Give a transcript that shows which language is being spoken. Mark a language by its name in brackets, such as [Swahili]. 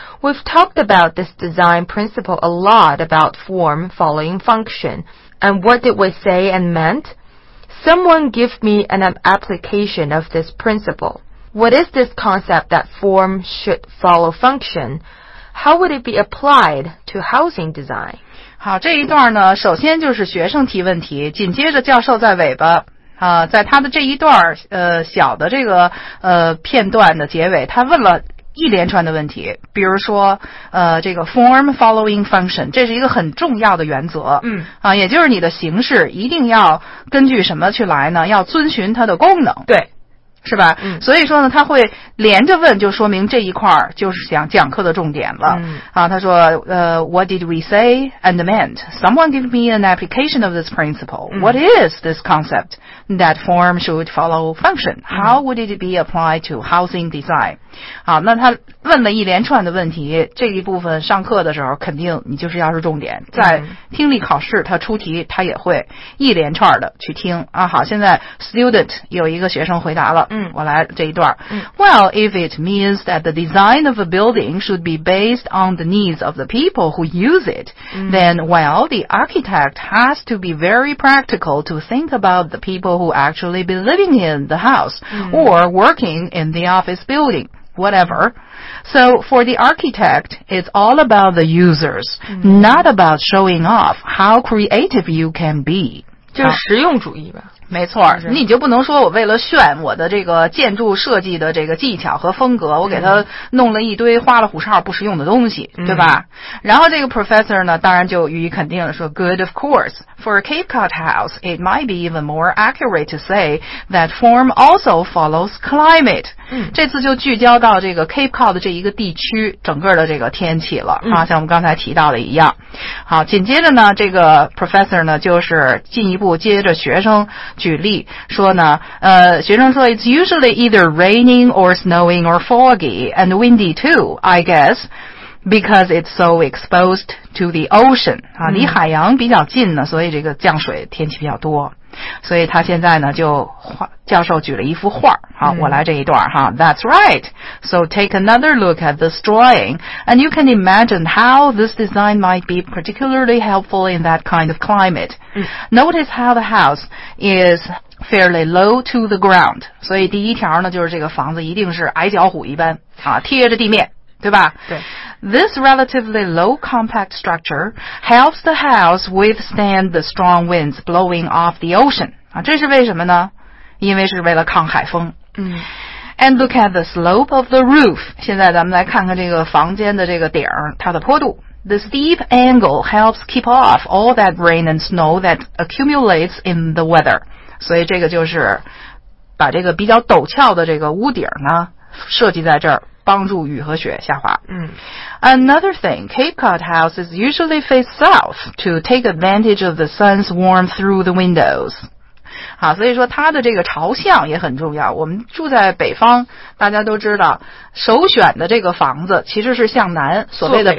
[English] We've talked about this design principle a lot about form following function. And what did we say and meant? Someone give me an application of this principle. What is this concept that form should follow function? How would it be applied to housing design? [Chinese] 好，这一段呢，首先就是学生提问题，紧接着教授在尾巴啊，在他的这一段小的这个片段的结尾，他问了一连串的问题，比如说这个 [English] form following function， [Chinese] 这是一个很重要的原则，也就是你的形式一定要根据什么去来呢？要遵循它的功能，对。是吧、嗯、所以说呢他会连着问就说明这一块就是想讲课的重点了、嗯、 [English] 啊，他说What did we say and meant? Someone give me an application of this principle、 [Chinese] 嗯、 [English] What is this concept? That form should follow function How would it be applied to housing design? [Chinese] 好、啊、那他问了一连串的问题这一部分上课的时候肯定你就是要是重点在听力考试他出题他也会一连串的去听啊。好现在 student 有一个学生回答了嗯，我来这一段、嗯、 [English] Well, if it means that the design of a building should be based on the needs of the people who use it、 [Chinese] 嗯、 [English] then well, the architect has to be very practical to think about the people who actually be living in the house、 [Chinese] 嗯、 [English] or working in the office building, whatever. So for the architect, it's all about the users、 [Chinese] 嗯、 [English] not about showing off how creative you can be. [Chinese] 就是实用主义吧没错你就不能说我为了炫我的这个建筑设计的这个技巧和风格我给他弄了一堆花了虎哨不实用的东西、嗯、对吧然后这个 professor 呢当然就予以肯定了说 [English] good of course for a Cape Cod house it might be even more accurate to say that form also follows climate、 [Chinese] 嗯、这次就聚焦到这个 Cape Cod 的这一个地区整个的这个天气了、嗯、啊，像我们刚才提到的一样好紧接着呢这个 professor 呢就是进一步接着学生举例说呢学生说 [English] It's usually either raining or snowing or foggy and windy too, I guess, because it's so exposed to the ocean.、 [Chinese] 嗯、离海洋比较近呢所以这个降水天气比较多。所以他现在呢就教授举了一幅画好、嗯、我来这一段哈 [English] That's right. So take another look at this drawing and you can imagine how this design might be particularly helpful in that kind of climate.、 [Chinese] 嗯、 [English] Notice how the house is fairly low to the ground. [Chinese] 所以第一条呢就是这个房子一定是矮脚虎一般啊贴着地面对吧对。 [English] This relatively low compact structure helps the house withstand the strong winds blowing off the ocean. [Chinese] 啊这是为什么呢因为是为了抗海风。嗯。 [English] And look at the slope of the roof. [Chinese] 现在咱们来看看这个房间的这个顶它的坡度。 [English] The steep angle helps keep off all that rain and snow that accumulates in the weather. [Chinese] 所以这个就是把这个比较陡峭的这个屋顶呢设计在这儿。帮助雨和雪下滑、嗯、 [English] Another thing Cape Cod houses usually face south to take advantage of the sun's warmth through the windows [Chinese] 好所以说它的这个朝向也很重要我们住在北方大家都知道首选的这个房子其实是向南所谓的